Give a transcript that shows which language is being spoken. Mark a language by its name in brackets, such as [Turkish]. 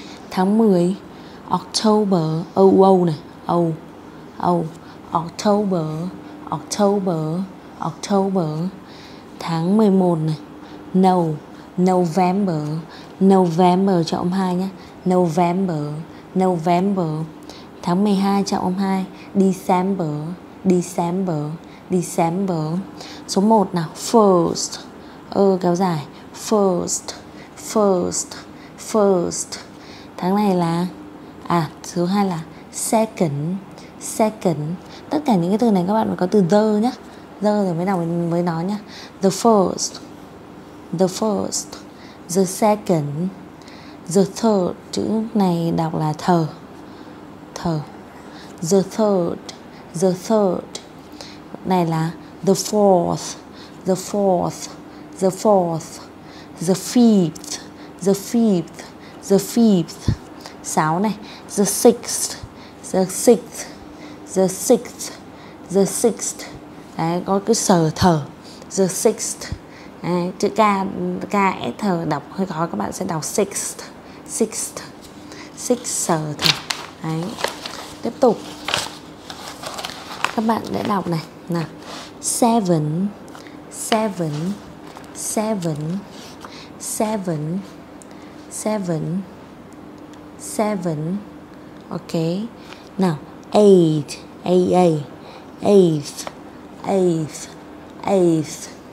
[English] Tháng 10, October, O-O này, O, O, October, October, October. Tháng 11 này, No, November, November, [Vietnamese] chọn 2 nhé, [English] November, November. Tháng 12, [Vietnamese] chọn 2, [English] December, December, December. Số 1 nào, First, [Vietnamese] kéo dài, [English] First, First, First. [Vietnamese] Tháng này là, thứ hai là [English] second, second. [Vietnamese] Tất cả những cái từ này các bạn phải có từ the nhé, the rồi mới đọc mới nói nhé. [English] The first, the first, the second, the third. [Vietnamese] Chữ này đọc là thờ, thờ. [English] The third, the third. Này là the fourth, the fourth, the fourth. The fifth, the fifth, the fifth. [Vietnamese] Sáu này, [English] the sixth, the sixth, the sixth, the sixth. [Vietnamese] Đấy, có cái sờ thở, the sixth. Đấy, chữ K, K, S, thở đọc hơi khó, các bạn sẽ đọc [English] sixth, sixth, sixth, [Vietnamese] sờ thở. Đấy, tiếp tục các bạn sẽ đọc này, nào, [English] seven, seven, seven, seven, seven, seven. Ok, [Vietnamese] nào, [English] eight, A-A, eighth, eighth, eighth.